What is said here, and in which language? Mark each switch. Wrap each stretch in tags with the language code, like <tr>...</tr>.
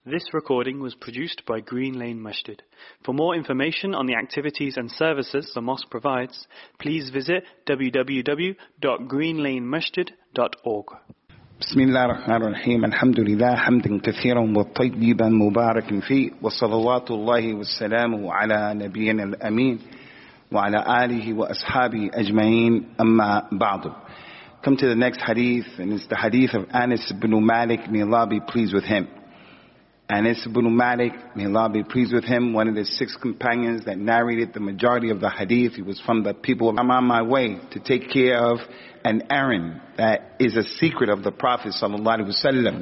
<en>This recording was produced by Green Lane Masjid. For more information on the activities and services the mosque provides, please visit www.greenlanemasjid.org.</en> <ar>بسم الله الرحمن الرحيم الحمد لله حمدا كثيرا وطيبا مباركا فيه وصلوات الله والسلام على نبينا الأمين وعلى آله وأصحابه أجمعين أما بعد.</ar> <en>Come to the next hadith, and it's the hadith of Anas ibn Malik, may Allah be pleased with him. Anas ibn Malik, may Allah be pleased with him, one of the six companions that narrated the majority of the hadith. He was from the people. I'm on my way to take care of an errand that is a secret of the Prophet sallallahu alaihi wasallam.</en>